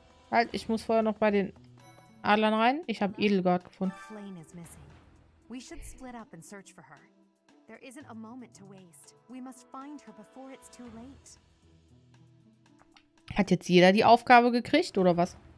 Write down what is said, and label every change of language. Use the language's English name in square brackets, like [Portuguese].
[German] Halt, ich muss vorher noch bei den Adlern rein. Ich hab Edelgard gefunden. Flayne ist missing. [English] We should split up and search for her. There isn't a moment to waste. We must find her before it's too late. [German] Hat jetzt jeder die Aufgabe gekriegt, oder was?